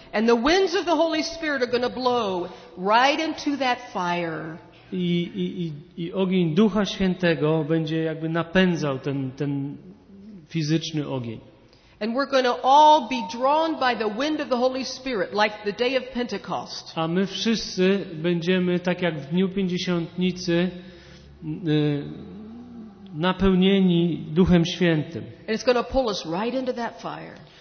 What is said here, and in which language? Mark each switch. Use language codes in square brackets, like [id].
[en] And the winds of the Holy Spirit are going to blow right into that fire. [pl] I ogień Ducha Świętego będzie jakby napędzał ten fizyczny ogień. [en] And we're going to all be drawn by the wind of the Holy Spirit like the day of Pentecost. [pl] A my wszyscy będziemy tak jak w dniu Pięćdziesiątnicy napełnieni Duchem Świętym. [en] And it's going to pull us right into that fire.